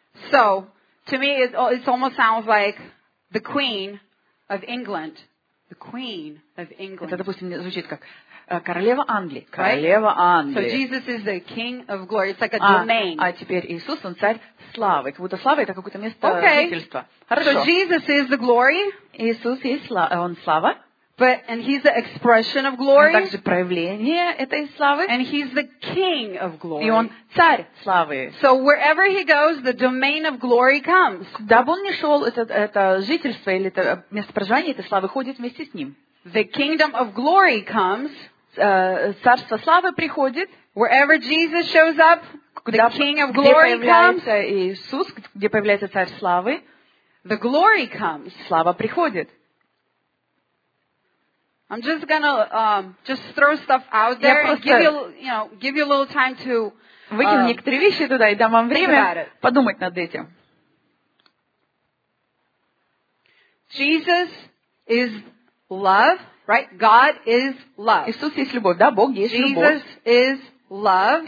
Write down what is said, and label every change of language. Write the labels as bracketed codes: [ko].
[en] So, to me, it almost sounds like the Queen. Of England, the Queen of England. [ru] Это, допустим, звучит как королева Англии. Королева Англии. [en] So Jesus is the King of Glory. It's like a domain. [ru] А теперь Иисус, он царь славы. Как будто слава это какое-то место жительства. Хорошо. [en] So Jesus is the glory. [ru] Иисус есть слава, он слава. [en] But and he's the expression of glory. [ru] Он также проявление этой славы. [en] And he's the King of Glory. [ru] И он царь славы. [en] So wherever he goes, the domain of glory comes. [ru] Куда бы он ни шел, это жительство или это место проживания этой славы ходит вместе с ним. [en] The kingdom of glory comes. [ru] Царство славы приходит. [en] Wherever Jesus shows up, [ru] куда, [en] the King of glory comes. [ru] Где появляется Иисус, где появляется царь славы, [en] the glory comes. [ru] Слава приходит. [en] I'm just gonna just throw stuff out there and give you a little time to [ru] выкину некоторые вещи туда и дам вам время подумать над этим. [en] Jesus is love. Right? God is love. [ru] Иисус есть любовь, да? Бог есть любовь. [en] Jesus is love.